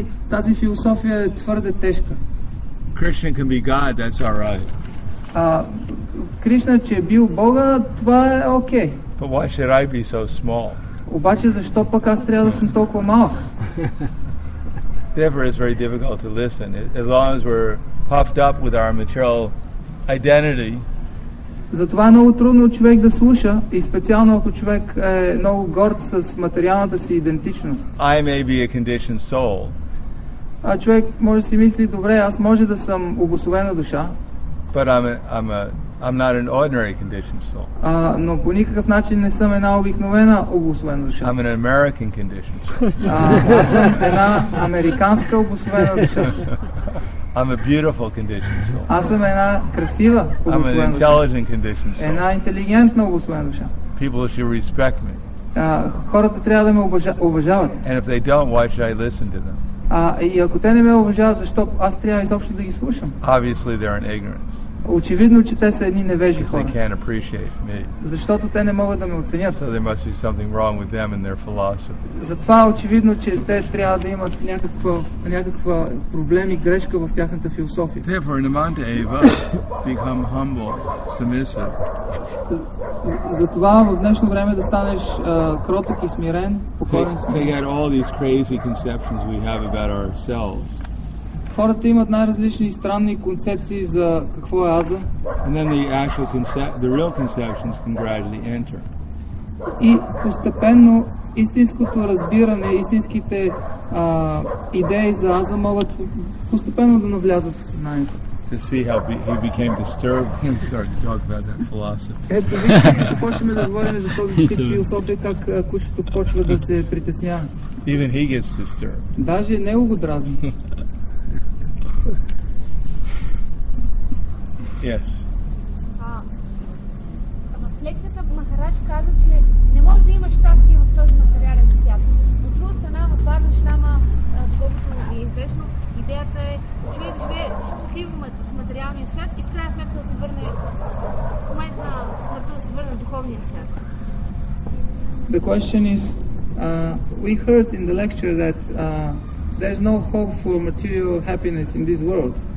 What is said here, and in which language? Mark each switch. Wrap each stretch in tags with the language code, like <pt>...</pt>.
<bg>Тази философия е твърде тежка.</bg> <en>Krishna can be God, that's all right.</en> <bg>Кришна, че е бил Бога, това е окей.</bg> <en>But why should I be so small?</en> <bg>Обаче защо пък аз трябва да съм толкова малък?</bg> <en>Therefore it's very difficult to listen. As long as we're puffed up with our material identity.</en> <bg>Затова е много трудно човек да слуша и специално ако човек е много горд с материалната си идентичност.</bg> <en>I may be a conditioned soul.</en> <bg>А човек може да си мисли, добре, аз може да съм обусловена душа.</bg> <en>But I'm not an ordinary conditioned soul. Но по никакъв начин не съм една обикновена обусловена душа. I'm an American conditioned soul.</en> <bg>Аз съм една американска обусловена душа.</bg> <en>I'm a beautiful condition soul.</en> <bg>Аз съм една красива обусловена душа.</bg> <en>I'm an intelligent condition soul.</en> <bg>Една интелигентна обусловена душа.</bg> <en>People should respect me.</en> <bg>Хората трябва да ме уважават.</bg> <en>And if they don't, why should I listen to them?</en> <bg>И ако те не ме уважават, защо аз трябва изобщо да ги слушам?</bg> <en>Obviously they're in ignorance.</en> <bg>Очевидно, че те са едни невежи хора.</bg> <en>They can't appreciate me.</en> <bg>Защото те не могат да ме оценят.</bg> <en>So there must be something wrong with them and their philosophy.</en> <bg>Затова очевидно, че те трябва да имат някаква проблем и грешка в тяхната философия.</bg> <en>Therefore, Namadeva become humble, submissive.</en> <bg>Затова в днешно време да станеш кроток и смирен, покорен.</bg> <en>They got all these crazy conceptions we have about ourselves.</en> <bg>Хората имат най-различни странни концепции за какво е аза.</bg> <en>And then the actual the real conceptions can gradually enter.</en> <bg>И постепенно истинското разбиране, истинските идеи за аза могат постепенно да навлязат в съзнанието.</bg> <en>To see how he became disturbed and started to talk about that philosophy.</en> <bg>Ето вижте, почваме да говорим за този тип философия, как кучето почва да се притеснява.</bg> <en>Even he gets disturbed.</en> <bg>Даже него го дразни.</bg> <en>Yes.</en> <bg>В лекцията Махарадж каза, че не може да има щастие в този материален свят. От друга страна, в Варнашрама, колкото ви е известно, идеята е човек да живее щастливо в материалния свят и в крайна сметка да се върне в момент на смъртта да се върне в духовния свят.</bg> <en>The question is, we heard in the lecture that there's no hope for material happiness in this world.</en>